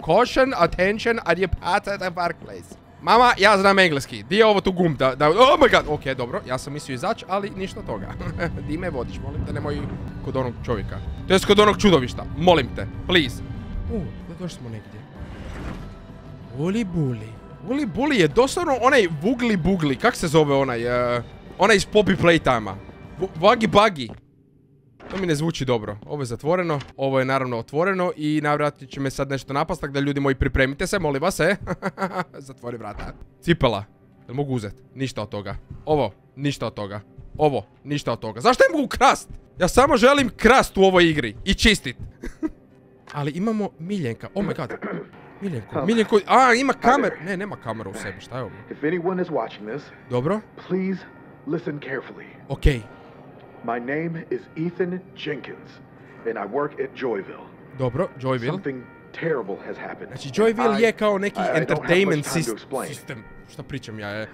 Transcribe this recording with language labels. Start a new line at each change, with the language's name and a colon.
English: Caution, attention, are you at the park place?
Croatian: Mama, ja znam engleski. Di je ovo tu gumb da...
English: Oh my god!
Croatian: Okej, dobro, ja sam mislio izaći, ali ništa toga. Di me vodiš, molim te, nemoj kod onog čovjeka. To jest kod onog čudovišta, molim te, please. Došli smo negdje. Uli buli. Uli buli je doslovno onaj vugli bugli, kak se zove onaj? Onaj iz Poppy Playtime-a. Vagi bagi. To mi ne zvuči dobro. Ovo je zatvoreno, ovo je naravno otvoreno i navratit će me sad nešto napast, tako da ljudi moji pripremite se, molim vas, Zatvori vrata. Cipela. Jel mogu uzet? Ništa od toga. Ovo, ništa od toga. Ovo, ništa od toga. Zašto ne mogu krast? Ja samo želim krast u ovoj igri i čistit. Ali imamo Miljenka.
English: Oh my god.
Croatian: Miljenko, Miljenko. A, ima kameru. Ne, nema kameru u sebi, šta je ovo?
English: If anyone is watching this,
Croatian: dobro.
English: Please listen carefully. Okay. My name is Ethan Jenkins and I work at Joyville.
Croatian: Dobro, Joyville.
English: Something terrible has happened.
Croatian: Znači, Joyville je kao neki entertainment system. Šta pričam ja?